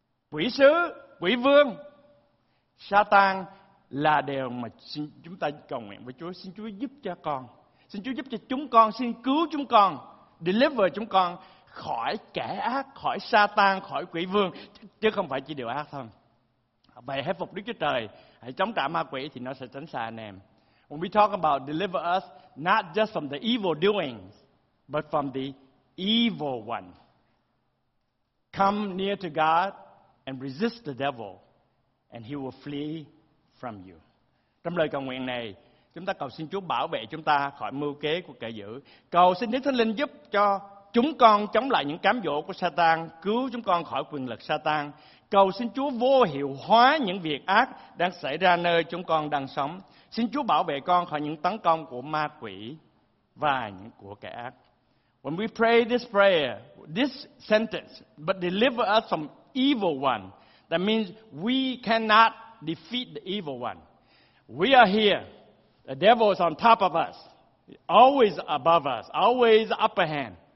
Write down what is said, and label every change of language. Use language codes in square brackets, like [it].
[vi] quỷ sứ, quỷ vương, Satan là điều mà chúng ta cầu nguyện với Chúa. Xin Chúa giúp cho con, xin Chúa giúp cho chúng con, xin cứu chúng con, deliver chúng con khỏi kẻ ác, khỏi Satan, khỏi quỷ vương, chứ không phải chỉ điều ác thôi. Vậy hãy phục Đức Chúa Trời, hãy chống trả ma quỷ thì nó sẽ tránh xa anh em. [en] When we talk about deliver us not just from the evil doings, but from the evil one. Come near to God and resist the devil, and he will flee from you. [vi] Trong lời cầu nguyện này, chúng ta cầu xin Chúa bảo vệ chúng ta khỏi mưu kế của kẻ dữ. Cầu xin Đức Thánh Linh giúp cho chúng con chống lại những cám dỗ của Satan, cứu chúng con khỏi quyền lực Satan. Cầu xin Chúa vô hiệu hóa những việc ác đang xảy ra nơi chúng con đang sống. Xin Chúa bảo vệ con khỏi những tấn công của ma quỷ và những của kẻ ác. [en] When we pray this prayer, this sentence, but deliver us from evil one, that means we cannot defeat the evil one. We are here. The devil is on top of us, always above us, always upper hand.